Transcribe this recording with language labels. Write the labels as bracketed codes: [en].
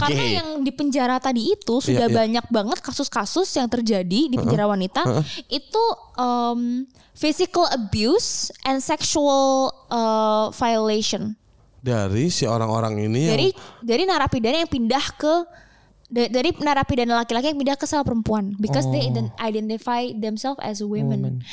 [id] Karena yang di penjara tadi itu sudah banyak banget kasus-kasus yang terjadi di penjara wanita. [en] Itu physical abuse and sexual violation [id] dari si orang-orang ini, dari narapidana yang pindah ke dari narapidana laki-laki yang pindah ke sel perempuan [en] because they identify themselves as women.